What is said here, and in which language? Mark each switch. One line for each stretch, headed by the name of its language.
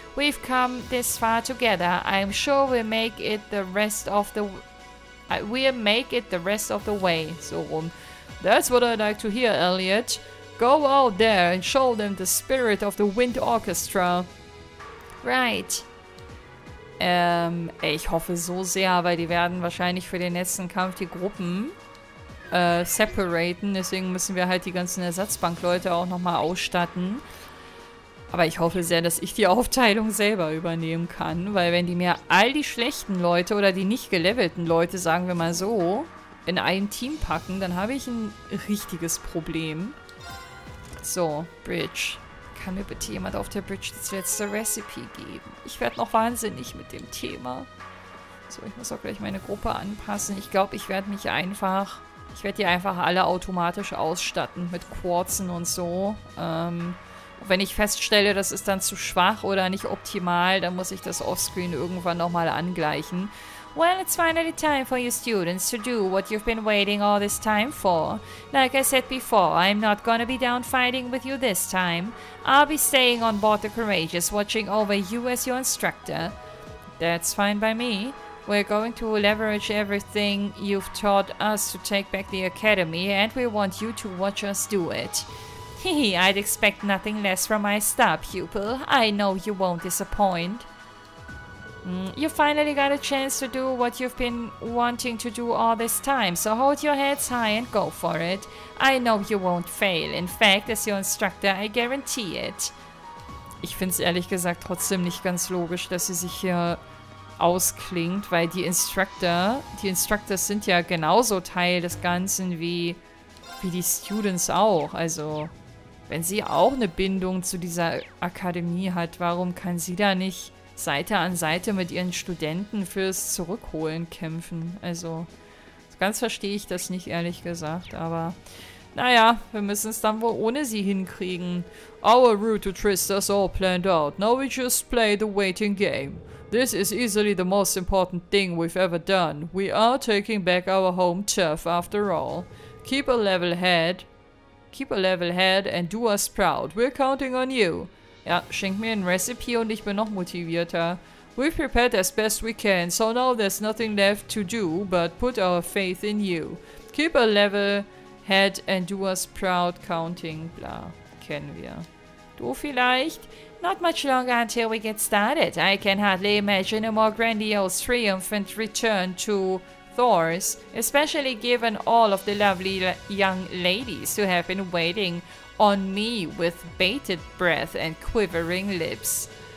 English: We've come this far together. I'm sure we'll make it the rest of the... We'll make it the rest of the way. So rum. That's what I'd like to hear, Elliot. Go out there and show them the spirit of the Wind Orchestra. Right.
German: Ich hoffe so sehr, weil die werden wahrscheinlich für den letzten Kampf die Gruppen separaten. Deswegen müssen wir halt die ganzen Ersatzbankleute auch nochmal ausstatten. Aber ich hoffe sehr, dass ich die Aufteilung selber übernehmen kann. Weil wenn die mir all die schlechten Leute oder die nicht gelevelten Leute, sagen wir mal so, in ein Team packen, dann habe ich ein richtiges Problem. So, Bridge. Kann mir bitte jemand auf der Bridge das letzte Recipe geben? Ich werde noch wahnsinnig mit dem Thema. So, ich muss auch gleich meine Gruppe anpassen. Ich glaube, ich werde mich einfach... Ich werde die einfach alle automatisch ausstatten mit Quarzen und so. Wenn ich feststelle, das ist dann zu schwach oder nicht optimal, dann muss ich das offscreen irgendwann nochmal angleichen.
English: Well, it's finally time for you students to do what you've been waiting all this time for. Like I said before, I'm not gonna be down fighting with you this time. I'll be staying on board the Courageous, watching over you as your instructor. That's fine by me. We're going to leverage everything you've taught us to take back the Academy, and we want you to watch us do it. Hehe, I'd expect nothing less from my star pupil. I know you won't disappoint. You finally got a chance to do what you've been wanting to do all this time, so hold your heads high and go for it. I know you won't fail. In fact, as your instructor, I guarantee it.
German: Ich find's ehrlich gesagt trotzdem nicht ganz logisch, dass sie sich hier ausklingt, weil die Instructors sind ja genauso Teil des Ganzen wie die Students auch. Also, wenn sie auch eine Bindung zu dieser Akademie hat, warum kann sie da nicht Seite an Seite mit ihren Studenten fürs Zurückholen kämpfen? Also, ganz verstehe ich das nicht, ehrlich gesagt, aber naja, wir müssen es dann wohl ohne sie hinkriegen.
English: Our route to Tristas all planned out. Now we just play the waiting game. This is easily the most important thing we've ever done. We are taking back our home turf after all. Keep a level head. Keep a level head and do us proud. We're counting on you.
German: Ja, schenk mir ein Recipe und ich bin noch motivierter.
English: We've prepared as best we can, so now there's nothing left to do but put our faith in you. Keep a level head and do us proud counting.
German: Bla, kennen wir. Du vielleicht?
English: Not much longer until we get started. I can hardly imagine a more grandiose triumphant return to Thors, especially given all of the lovely young ladies who have been waiting on me with bated breath and quivering lips.